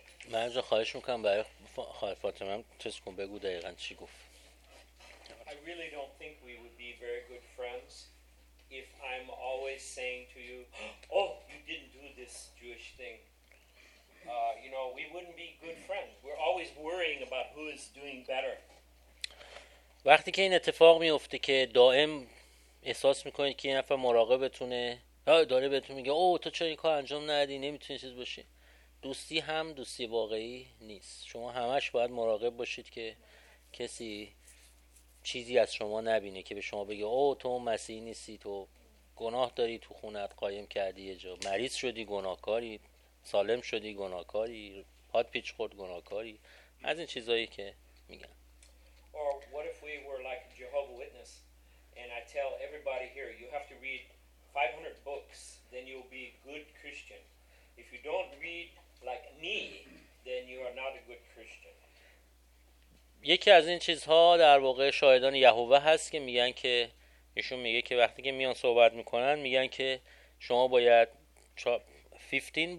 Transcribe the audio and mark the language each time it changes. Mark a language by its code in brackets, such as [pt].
[fa] من از خواهش میکنم برای خواهر فاطمه تست کن بگو دقیقا چی گفت. [en] I really don't think we would be very good friends if I'm always saying to you, oh, you didn't do this Jewish thing. You know, we wouldn't be good friends. We're always worrying about who is doing better. [fa] وقتی که این اتفاق میفته که دائم احساس میکنید که یه نفر مراقبتونه، داره بهتون میگه اوه تو چرا این کار انجام ندی، نمیتونی چیز باشی، دوستی هم دوستی واقعی نیست. شما همش باید مراقب باشید که کسی چیزی از شما نبینه که به شما بگه او تو مسیحی نیستی، تو گناه داری، تو خونت قایم کردی، یه جا مریض شدی گناهکاری، سالم شدی گناهکاری، پات پیچ خورد گناهکاری، از این چیزایی که میگن. [en] Or what if we were like a Jehovah Witness and I tell everybody here you have to read 500 books then you'll be a good Christian. If you don't read like me, then you are not a good Christian. [fa] یکی از این چیزها در واقع شاهدان یهوه هست که میگن که ایشون میگه که وقتی که میان صحبت میکنن میگن که شما باید 15 books